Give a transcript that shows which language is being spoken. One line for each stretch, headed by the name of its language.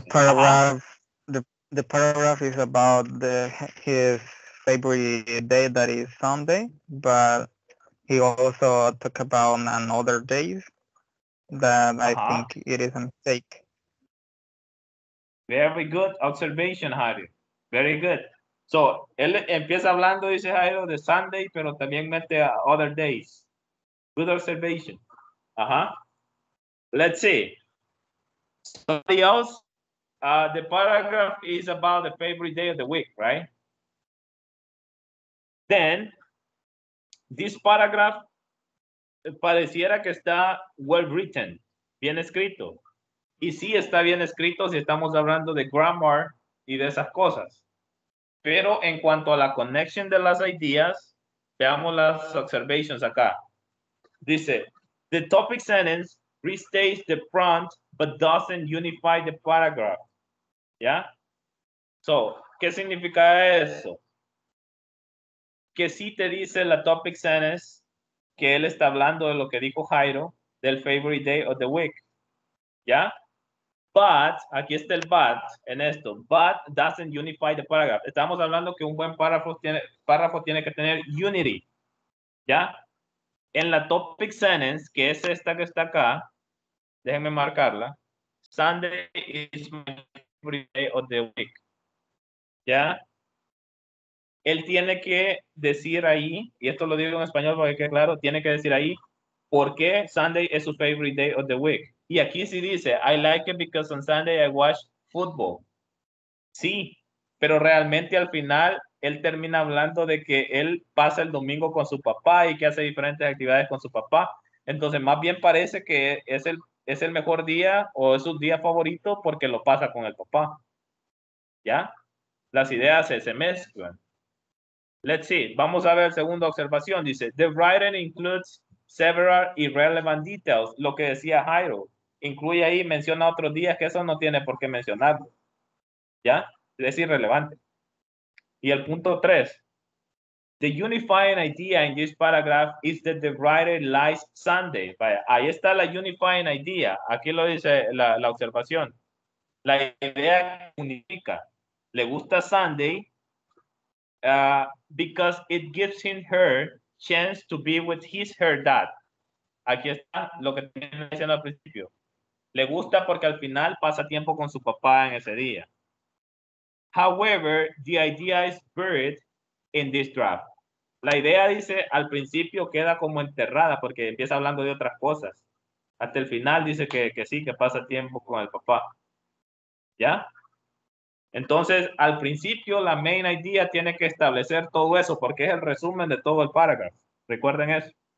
English: The paragraph is about his favorite day, that is Sunday, but he also talked about another day that I think it is a mistake. Very good observation, Harry. Very good.
Spanish: So, él empieza hablando, dice Jairo, de Sunday, pero también mete a
English: other days. Good observation. Let's see. Somebody else, the paragraph is about the favorite day of the week, right? Then, this paragraph
Spanish: pareciera que está
English: well written,
Spanish: bien escrito. Y sí está bien escrito si estamos hablando de grammar y de esas cosas. Pero en cuanto a la connection de las ideas, veamos las observations acá.
English: Dice, the topic sentence restates the prompt but doesn't unify the paragraph, ¿yeah?
Spanish: So, ¿qué significa eso? Que sí te dice la topic sentence, que él está hablando de lo que dijo Jairo, del
English: favorite day of the week.
Spanish: ¿Ya?
English: But,
Spanish: aquí está el but en esto.
English: But doesn't unify the paragraph.
Spanish: Estamos hablando que un buen párrafo tiene que tener unity. ¿Ya? En la topic sentence, que es esta que está acá, déjenme marcarla.
English: Sunday is my favorite day of the week.
Spanish: ¿Ya? Él tiene que decir ahí, y esto lo digo en español para que quede claro, tiene que decir ahí, ¿por qué
English: Sunday is his favorite day of the week?
Spanish: Y aquí sí dice,
English: I like it because on Sunday I watch football.
Spanish: Sí, pero realmente al final él termina hablando de que él pasa el domingo con su papá y que hace diferentes actividades con su papá. Entonces, más bien parece que es el mejor día o es su día favorito porque lo pasa con el papá. ¿Ya? Las ideas se mezclan.
English: Let's see.
Spanish: Vamos a ver la segunda observación. Dice,
English: the writing includes several irrelevant details.
Spanish: Lo que decía Jairo. Incluye ahí, menciona otros días que eso no tiene por qué mencionarlo. ¿Ya? Es irrelevante. Y el punto tres.
English: The unifying idea in this paragraph is that the writer likes Sunday.
Spanish: Vaya, ahí está la unifying idea. Aquí lo dice la observación. La idea unifica. Le gusta
English: Sunday because it gives him her chance to be with his her dad.
Spanish: Aquí está lo que estaba diciendo al principio. Le gusta porque al final pasa tiempo con su papá en ese día.
English: However, the idea is buried in this draft.
Spanish: La idea, dice, al principio queda como enterrada porque empieza hablando de otras cosas. Hasta el final dice que sí, que pasa tiempo con el papá. ¿Ya? Entonces, al principio, la main idea tiene que establecer todo eso porque es el resumen de todo el paragraph. Recuerden eso.